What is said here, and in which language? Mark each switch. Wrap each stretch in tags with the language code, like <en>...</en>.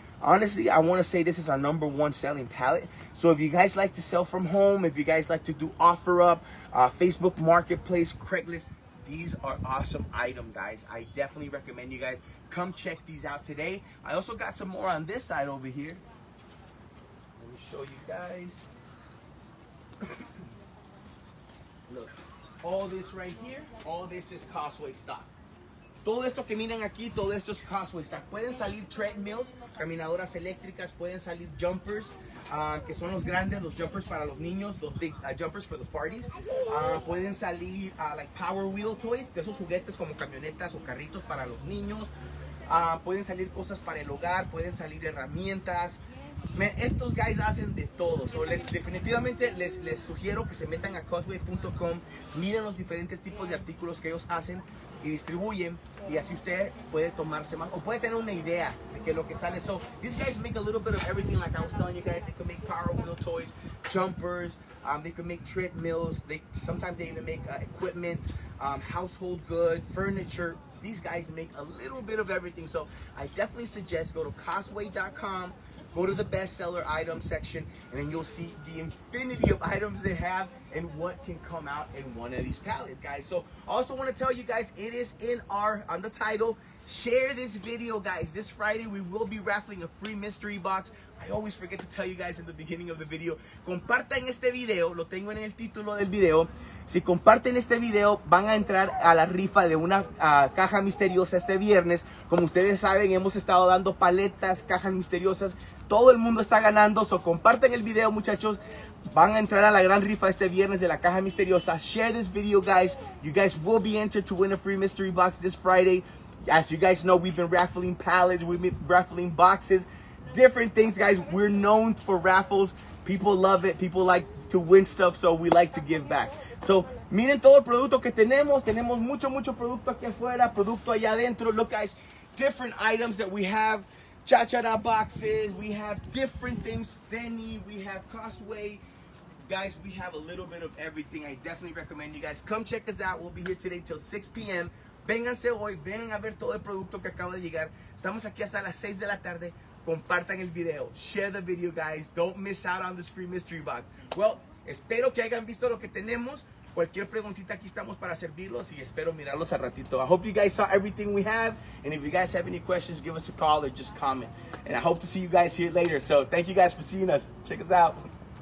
<en>honestly, I want to say this is our number one selling palette. So if you guys like to sell from home, if you guys like to do OfferUp, Facebook Marketplace, Craigslist, these are awesome items, guys. I definitely recommend you guys come check these out today. I also got some more on this side over here. Let me show you guys. Look, all this right here, all this is Causeway stock.</en> <es>Todo esto que miren aquí, todo esto es Causeway stock. Pueden salir treadmills, caminadoras eléctricas, pueden salir jumpers, que son los grandes, los jumpers para los niños, los</es> <en>big jumpers for the parties.</en> <es>Pueden salir</es> <en>like power wheel toys,</en> <es>que esos juguetes como camionetas o carritos para los niños. Pueden salir cosas para el hogar, pueden salir herramientas. Man, estos guys hacen de todo. So les, definitivamente les sugiero que se metan a causeway.com, miren los diferentes tipos de artículos que ellos hacen y distribuyen, y así usted puede tomarse más o puede tener una idea de qué es lo que sale.</es> <en>So these guys make a little bit of everything, like I was telling you guys. They can make power wheel toys, jumpers, they can make treadmills, sometimes they even make equipment, household good, furniture. These guys make a little bit of everything. So I definitely suggest go to causeway.com, go to the bestseller item section, and then you'll see the infinity of items they have and what can come out in one of these palettes, guys. So I also want to tell you guys, it is in our, on the title, share this video, guys. This Friday, we will be raffling a free mystery box. I always forget to tell you guys in the beginning of the video.</en> <es>Compartan este video, lo tengo en el título del video. Si comparten este video, van a entrar a la rifa de una caja misteriosa este viernes. Como ustedes saben, hemos estado dando paletas, cajas misteriosas. Todo el mundo está ganando, so compartan el video, muchachos. Van a entrar a la gran rifa este viernes de la caja misteriosa.</es> <en>Share this video, guys. You guys will be entered to win a free mystery box this Friday. As you guys know, we've been raffling pallets, we've been raffling boxes, different things, guys. We're known for raffles. People love it. People like to win stuff, so we like to give back.</en> <es>So, miren todo el producto que tenemos. Tenemos mucho, mucho producto aquí afuera, producto allá adentro.</es> <en>Look, guys, different items that we have. Cha-cha-da boxes. We have different things. Zenny, we have Causeway. Guys, we have a little bit of everything. I definitely recommend you guys come check us out. We'll be here today till 6 p.m.</en> <es>Vénganse hoy, vengan a ver todo el producto que acaba de llegar. Estamos aquí hasta las 6 de la tarde. Compartan el video.</es> <en>Share the video, guys. Don't miss out on this free mystery box.</en> <es>Well, espero que hayan visto lo que tenemos. Cualquier preguntita, aquí estamos para servirlos y espero mirarlos a ratito.</es> <en>I hope you guys saw everything we have. And if you guys have any questions, give us a call or just comment. And I hope to see you guys here later. So thank you guys for seeing us. Check us out.</en>